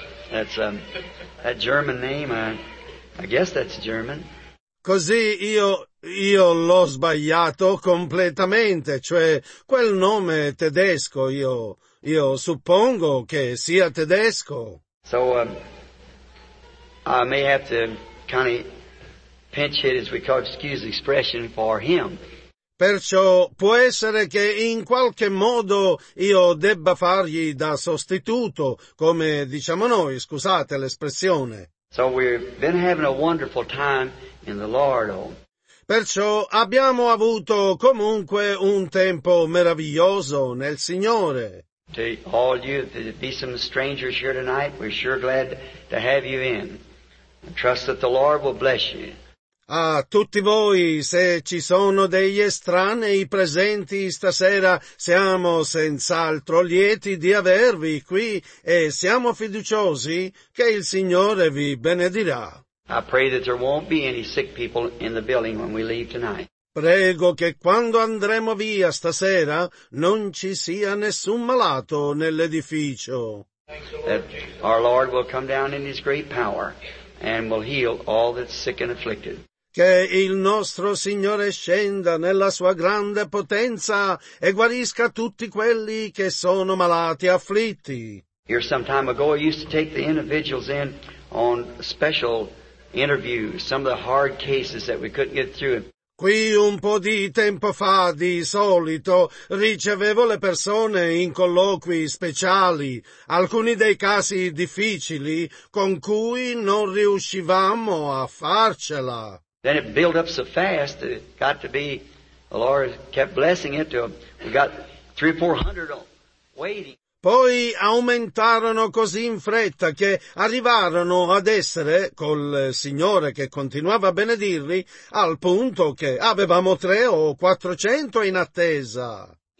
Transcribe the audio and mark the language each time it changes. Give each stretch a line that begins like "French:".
English: That German name, I guess that's German.
Italian: Così io l'ho sbagliato completamente, cioè quel nome tedesco, io suppongo che sia tedesco.
English: So I may have to kind of pinch hit, as we call it, excuse the expression, for him.
Italian: Perciò può essere che in qualche modo io debba fargli da sostituto, come diciamo noi, scusate l'espressione.
English: So we've been having a wonderful time in the Lord.
Italian: Perciò abbiamo avuto comunque un tempo meraviglioso nel Signore.
English: To all you, to be some strangers here tonight, we're sure glad to have you in. I trust that the Lord will bless you.
Italian: A tutti voi, se ci sono degli estranei presenti stasera, siamo senz'altro lieti di avervi qui e siamo fiduciosi che il Signore vi benedirà.
English: I pray that there won't be any sick people in the building when we leave tonight.
Italian: Prego che quando andremo via stasera non ci sia nessun malato nell'edificio.
English: That our Lord will come down in His great power and will heal all that's sick and afflicted.
Italian: Che il nostro Signore scenda nella sua grande potenza e guarisca tutti quelli che sono malati e afflitti.
English: Here some time ago I used to take the individuals in on special interview, some of the hard cases that we couldn't get through.
Italian: Qui un po' di tempo fa, di solito, ricevevo le persone in colloqui speciali, alcuni dei casi difficili con cui non riuscivamo a farcela.
English: Then it built up so fast that it got to be, the Lord kept blessing it till we got 300 or 400 waiting.
Italian: Poi aumentarono così in fretta che arrivarono ad essere, col Signore che continuava a benedirli, al punto che avevamo 300 or 400 in attesa.